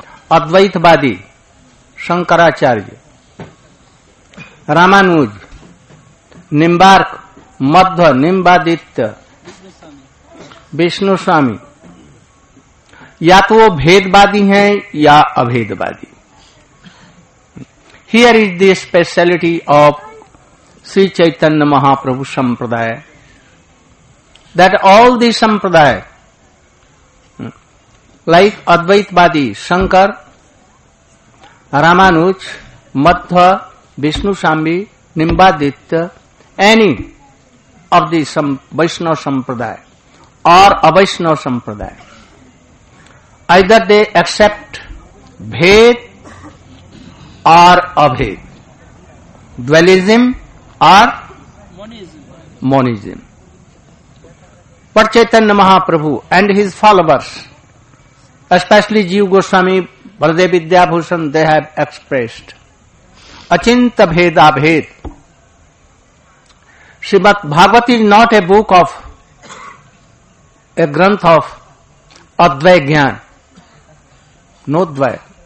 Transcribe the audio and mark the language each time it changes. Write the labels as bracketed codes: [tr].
[hi] Advaitvadi, Shankaracharya, Ramanuj, Nimbark, Madhva, Nimbaditya, Vishnu Swami, या तो वो भेदवादी हैं या अभेदवादी. [en] Here is the speciality of Shri Chaitanya Mahaprabhu sampradaya that all the sampradaya like Advaitavadi Shankar Ramanuj Madhva Vishnu सांबी Nimbaditya any of the Vaishnava sampradaya और Avaishnava sampradaya Either they accept Ved or Abhed, dualism or monism. But Chaitanya Mahaprabhu and his followers, especially Jiva Goswami, Baladeva Vidyabhushan, they have expressed Achinta Bhed Abhed. Srimad Bhagavat is not a book of, a granth of Advaita Gyan. No dvay.